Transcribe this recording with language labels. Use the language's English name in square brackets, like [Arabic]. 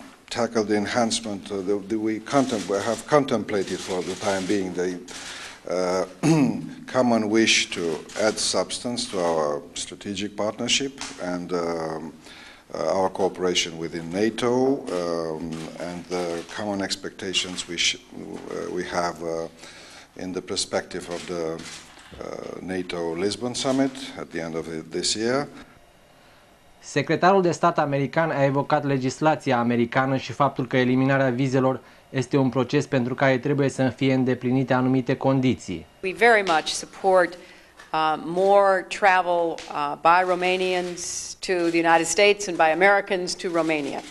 [English] tackle the enhancement that we have contemplated for the time being, the common wish to add substance to our strategic partnership and our cooperation within NATO and the common expectations we have in the perspective of the NATO Lisbon summit at the end of this year. [Romanian] Secretarul de stat american a evocat legislația americană și faptul că eliminarea vizelor este un proces pentru care trebuie să fie îndeplinite anumite condiții. [English] We very much support more travel by Romanians to the United States and by Americans to Romania.